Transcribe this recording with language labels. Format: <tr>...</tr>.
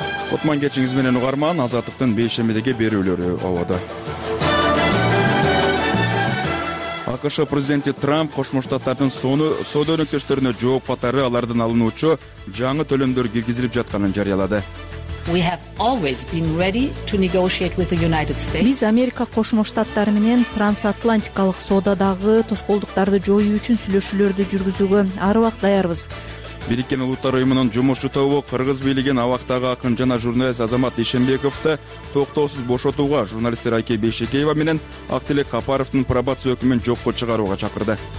<ky>Кутман кечиңиз менен угарман, Азаттыктын бейшембидеги берүүлөрү оодо. АКШ президенти Трамп Кошмо Штаттардын соода өнөктөштөрүнө жооп катары алардын алынуучу жаңы төлөмдөр киргизилип жатканын жарыялады.</ky> <en>We have always been ready to negotiate with the United States.</en> <ky>Биз Америка Кошмо Штаттары менен трансатлантикалык соодадагы тоскоолдуктарды жоюу үчүн сүйлөшүүлөрдү жүргүзүүгө ар убакыт даярбыз. Бириккен улуттар уюмунун жумушчу тобу кыргыз бийлигин абактагы акын жана журналист Азамат Ишенбековду токтоосуз бошотууга, журналисттер Айкей Бейшекеева менен Актилек Капаровдун пробация өкүмүн жокко чыгарууга чакырды.</ky>